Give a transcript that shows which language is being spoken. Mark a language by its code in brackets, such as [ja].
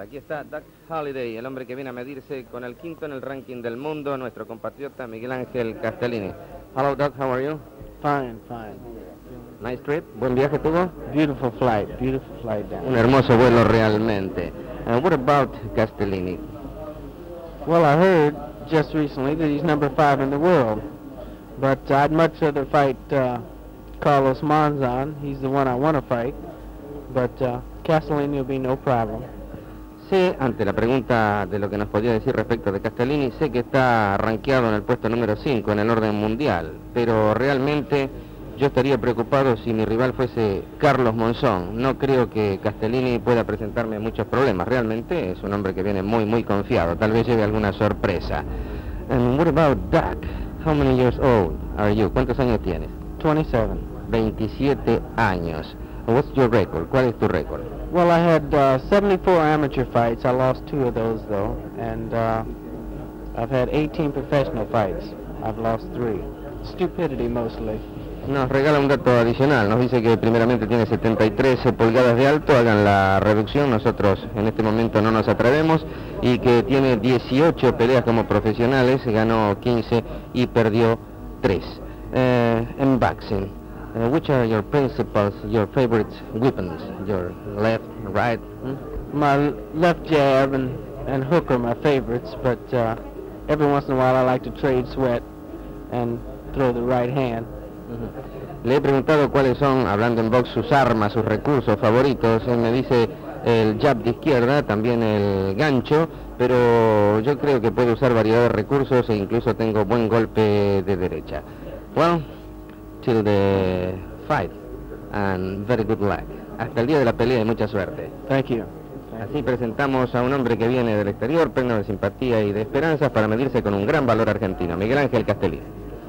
[es] Aquí está Doug Holliday, el hombre que viene a medirse con el quinto en el ranking del mundo, nuestro compatriota Miguel Ángel Castellini. [en] Hello, Doug, how are you? Fine, fine. Nice trip, [es] buen viaje tuvo? [en] Beautiful flight down. [es] Un hermoso vuelo realmente. [en] What about Castellini? Well, I heard just recently that he's number 5 in the world. But I'd much rather fight Carlos Monzon. He's the one I want to fight. But Castellini will be no problem. [es] Sí, ante la pregunta de lo que nos podía decir respecto de Castellini, sé que está rankeado en el puesto número 5 en el orden mundial, pero realmente yo estaría preocupado si mi rival fuese Carlos Monzón. No creo que Castellini pueda presentarme muchos problemas. Realmente es un hombre que viene muy, muy confiado. Tal vez lleve alguna sorpresa. [en] And what about Doug? How many years old are you? [es] ¿Cuántos años tienes? [en] 27. [es] 27 años. [en] What's your record? [es] ¿Cuál es tu récord? [en] Well, I had 74 amateur fights. I lost 2 of those, though. And I've had 18 professional fights. I've lost 3. Stupidity, mostly. [es] Nos regala un dato adicional, nos dice que primeramente tiene 73 pulgadas de alto, hagan la reducción, nosotros en este momento no nos atrevemos, y que tiene 18 peleas como profesionales, ganó 15 y perdió 3. [en] En boxing, which are your principles, your favorite weapons, your left, right? My left jab and hook are my favorites, but every once in a while I like to trade sweat and throw the right hand. [es] Le he preguntado cuáles son, hablando en box, sus armas, sus recursos favoritos. Él me dice el jab de izquierda, también el gancho, pero yo creo que puede usar variedad de recursos e incluso tengo buen golpe de derecha. [en] Well, till the fight and very good luck. [es] Hasta el día de la pelea y mucha suerte. [en] Thank you. [es] Así presentamos a un hombre que viene del exterior, pleno de simpatía y de esperanzas para medirse con un gran valor argentino, Miguel Ángel Castellini.